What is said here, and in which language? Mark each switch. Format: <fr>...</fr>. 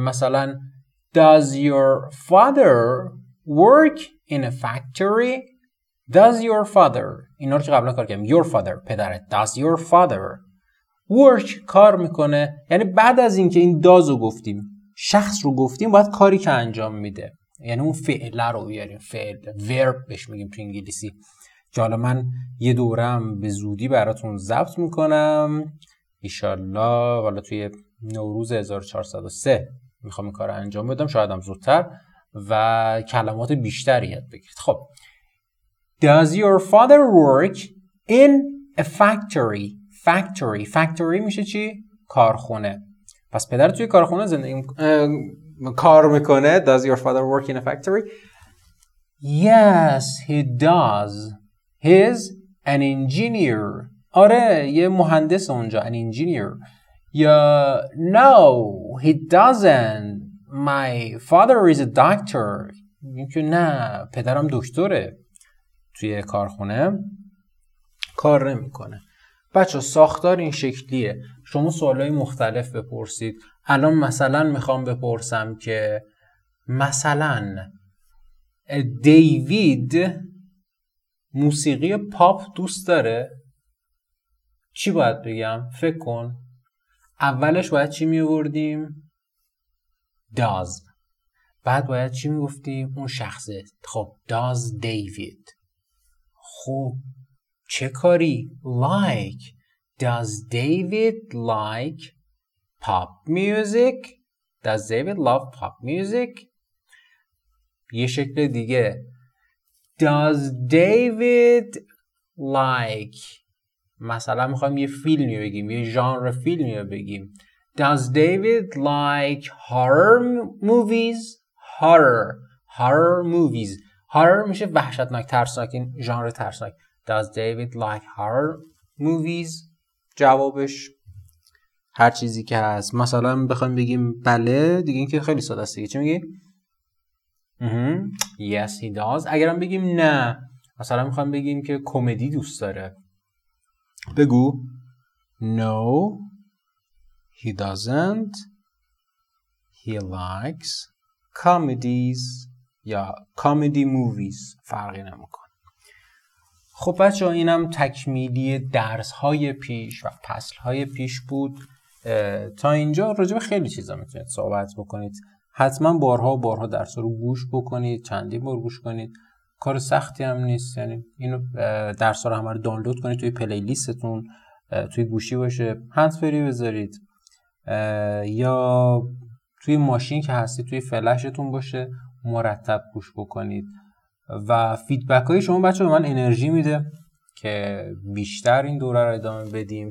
<en>مثلا Does your father work in a factory? Does your father،</en> <fa>اینا رو چه قبلا کار کردیم، your father، پدرت،</fa> <en>does your father work،</en> <fa>کار میکنه، یعنی بعد از اینکه این does رو گفتیم، شخص رو گفتیم، باید کاری که انجام میده، یعنی اون فعل رو بیاریم، فعل، verb بهش میگیم تو انگلیسی. حالا من یه دورم به زودی براتون ضبط میکنم ایشالله، حالا توی نوروز 1403 میخوام این کار رو انجام بدم، شاید هم زودتر، و کلمات بیشتری یاد بگیرید.</fa> <en>خب Does your father work in a factory? Factory.</en> <fa>Factory میشه چی؟ کارخونه. پس پدر توی کارخونه زندگی کار میکنه.</fa> <en>Does your father work in a factory? Yes, he does. He's an engineer.</en> <fa>آره، یه مهندس اونجا.</fa> <en>An engineer.</en> <fa>یا</fa> <en>no, he doesn't. My father is a doctor.</en> <fa>میگه نه، پدرم دکتره. توی کارخونه کار نمی کنه. بچه ساختار این شکلیه، شما سوالای مختلف بپرسید. الان مثلا میخوام بپرسم که مثلا دیوید موسیقی پاپ دوست داره، چی باید بگم؟ فکر کن اولش باید چی میوردیم؟ داز. بعد باید چی میگفتیم؟ اون شخصه. خب داز دیوید. خب چه کاری؟ Like.</fa> <en>Does David like pop music? Does David love pop music?</en> <fa>یه شکل دیگه.</fa> <en>Does David like،</en> <fa>مثلا میخوایم یه فیلمی بگیم، یه ژانر فیلمی بگیم.</fa> <en>Does David like horror movies? Horror movies.</en> <fa>Horror میشه وحشتناک، ترسناک، این ژانر ترسناک.</fa> <en>Does David like horror movies؟</en> <fa>جوابش هر چیزی که هست. مثلا بخوایم بگیم بله، دیگه اینکه خیلی ساده است. چی میگی؟</fa> <en>Yes he does.</en> <fa>اگرم بگیم نه، مثلا میخوایم بگیم که کمدی دوست داره، بگو</fa> <en>No he doesn't. He likes comedies یا comedy movies،</en> <fa>فرقی نمیکنه. خب بچه ها، اینم تکمیلی درس های پیش و فصل های پیش بود. تا اینجا راجع به خیلی چیزا میتونید صحبت بکنید، حتما بارها و بارها درس رو گوش بکنید، چندی بار گوش کنید، کار سختی هم نیست. یعنی اینو درس رو همه رو دانلود کنید توی پلیلیستتون، توی گوشی باشه، هند فری بذارید، یا توی ماشین که هستی توی فلشتون باشه، مرتب گوش بکنید و فیدبک های شما بچه به من انرژی میده که بیشتر این دوره رو ادامه بدیم.</fa>